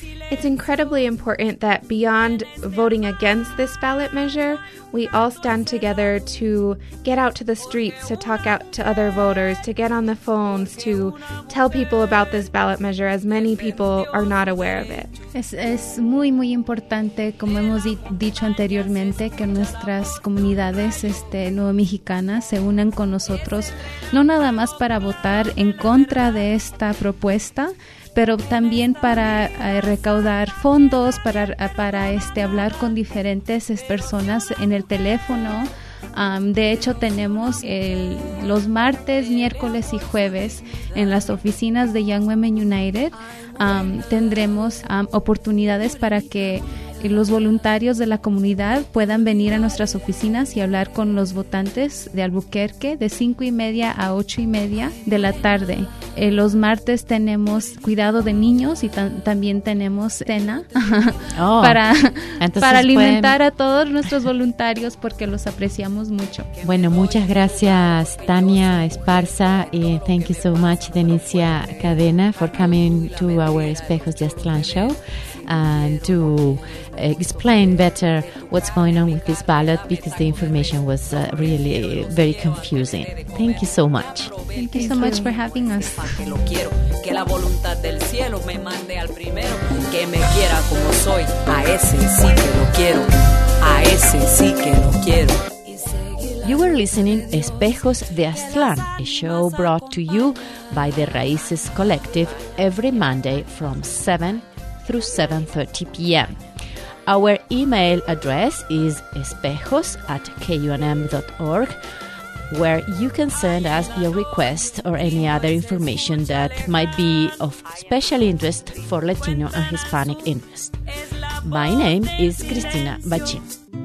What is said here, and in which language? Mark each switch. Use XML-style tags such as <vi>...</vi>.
<en>It's incredibly important that beyond voting against this ballot measure, we all stand together to get out to the streets, to talk out to other voters, to get on the phones, to tell people about this ballot measure, as many people are not aware of it.</en> <es>Es muy, muy importante, como hemos dicho anteriormente, que nuestras comunidades nuevo mexicanas se unan con nosotros, no nada más para votar en contra de esta propuesta, pero también para recaudar fondos, para hablar con diferentes personas en el teléfono. De hecho, tenemos los martes, miércoles y jueves en las oficinas de Young Women United. Tendremos oportunidades para que los voluntarios de la comunidad puedan venir a nuestras oficinas y hablar con los votantes de Albuquerque de 5:30 a 8:30 de la tarde. Los martes tenemos cuidado de niños y también tenemos cena para alimentar a todos nuestros voluntarios, porque los apreciamos mucho. Bueno, muchas gracias,</es> <en>Tania Esparza, y thank you so much, Denicia Cadena, for coming to our Espejos de Aztlán show and to explain better what's going on with this ballot, because the information was really very confusing. Thank you so much. Thank you so much for having us.</en> <es>Que la voluntad del cielo me mande al primero, que me quiera como soy. A ese sí que lo quiero. A ese sí que lo quiero.</es> <en>You were listening Espejos de Aztlán, a show brought to you by the Raíces Collective every Monday from 7 through 7:30 p.m. Our email address is espejos@kunm.org, where you can send us your request or any other information that might be of special interest for Latino and Hispanic interest. My name is Cristina Bachín.</en>